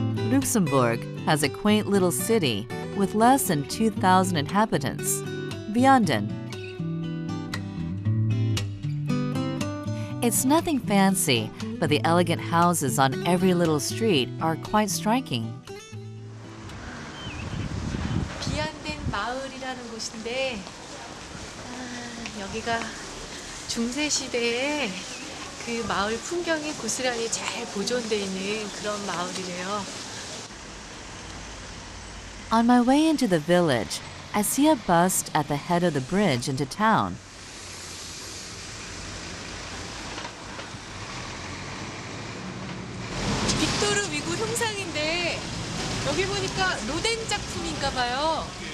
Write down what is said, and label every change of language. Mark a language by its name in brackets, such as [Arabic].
[English] Luxembourg has a quaint little city with less than 2,000 inhabitants, Vianden. It's nothing fancy, but the elegant houses on every little street are quite striking. [Korean] Vianden 마을이라는 곳인데 여기가 중세 시대에 그 마을 풍경이 고스란히 잘 보존되어 있는 그런 마을이래요. [English] On my way into the village, I see a bust at the head of the bridge into town. [Korean] Victor Hugo 형상인데 여기 보니까 로뎅 작품인가 봐요.